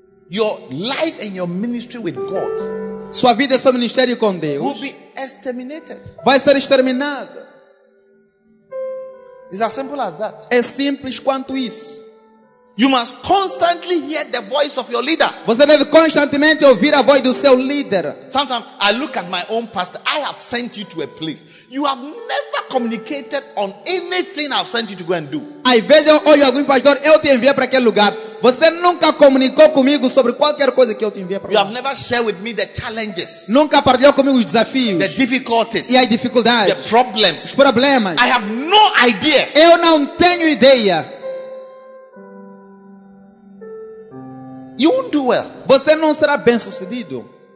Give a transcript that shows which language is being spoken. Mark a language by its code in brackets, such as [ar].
[en] your life and your ministry with God, [pt] sua vida e seu ministério com Deus, [en] will be exterminated. [pt] Vai ser exterminado. [en] It's as simple as that. [pt] É simples quanto isso. [en] You must constantly hear the voice of your leader. [pt] Você deve constantemente ouvir a voz do seu líder. [en] Sometimes I look at my own pastor. I have sent you to a place. You have never communicated on anything I've sent you to go and do. [pt] Às vezes eu olho algum pastor, eu te enviei para aquele lugar. Você nunca comunicou comigo sobre qualquer coisa que eu te enviei para lá. [en] You have never shared with me the challenges. [pt] Nunca partilhou comigo os desafios. [en] The difficulties. [pt] E as dificuldades. [en] The problems. [pt] Os problemas. [en] I have no idea. [pt] Eu não tenho ideia. [en] You won't do well. [pt] Você não será bem sucedido.